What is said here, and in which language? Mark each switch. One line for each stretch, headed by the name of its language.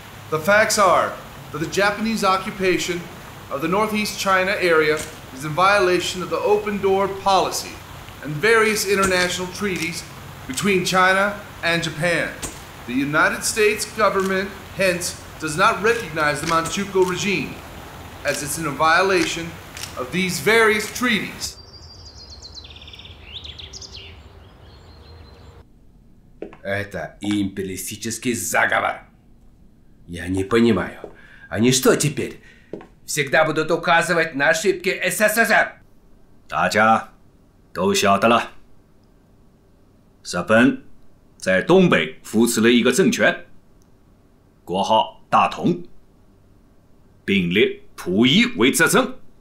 English: The facts are that the Japanese occupation of the Northeast China area is in violation of the open door policy and various international treaties between China and Japan. The United States government hence does not recognize the Manchukuo regime as it's in a violation of these various treaties.
Russian: Это империалистический заговор. Я не понимаю, они что теперь? Всегда будут указывать на ошибки СССР.
Chinese: 大家都晓得了。日本在东北扶持了一个政权，国号大同，并列溥仪为摄政。